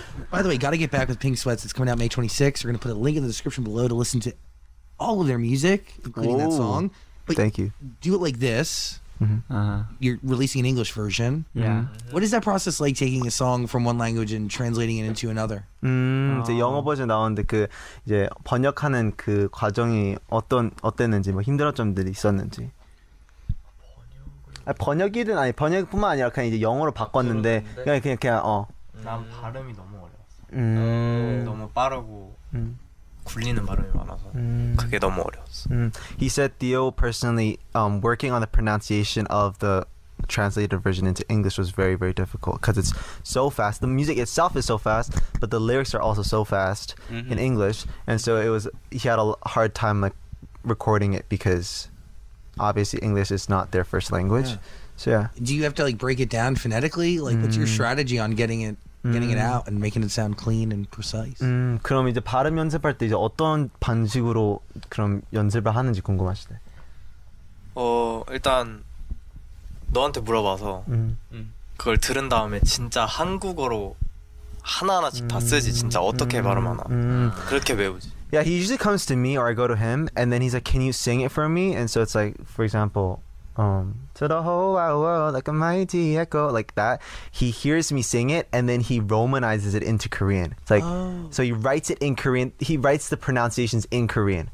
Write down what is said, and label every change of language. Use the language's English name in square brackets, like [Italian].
[English] By the way, gotta get back with Pink Sweats. It's coming out May 26th. We're gonna put a link in the description below to listen to all of their music, including that song. But thank you. Do it like this. You're releasing an English version. Yeah. What is that process like, taking a song from one language and translating it into another? [Korean] 이제 영어 버전 나오는데 그 이제 번역하는 그 과정이 어땠는지 뭐 힘들어 점들이 있었는지. 번역이든 아니 번역뿐만 아니라 그냥 이제 영어로 바꿨는데 그냥 난 발음이 너무 어려웠어. 너무 빠르고 굴리는 발음이 많아서 그게 너무 어려웠어. [English] He said Theo personally working on the pronunciation of the translated version into English was very very difficult because it's so fast. The music itself is so fast, but the lyrics are also so fast in English, and so he had a hard time like recording it because obviously English is not their first language. So yeah, do you have to like break it down phonetically, like what's your strategy on getting it out and making it sound clean and precise? [Korean] 그럼 이제 발음 연습할 때 이제 어떤 방식으로 그럼 연습을 하는지 궁금하시대. 일단 너한테 물어봐서 그걸 들은 다음에 진짜 한국어로 하나하나씩 다 쓰지. 진짜 어떻게 발음하나 그렇게 외우지. [English] Yeah, he usually comes to me or I go to him, and then he's like, can you sing it for me? And so it's like, for example, to the whole wide world, like a mighty echo, like that. He hears me sing it, and then he romanizes it into Korean. It's like, so he writes it in Korean. He writes the pronunciations in Korean.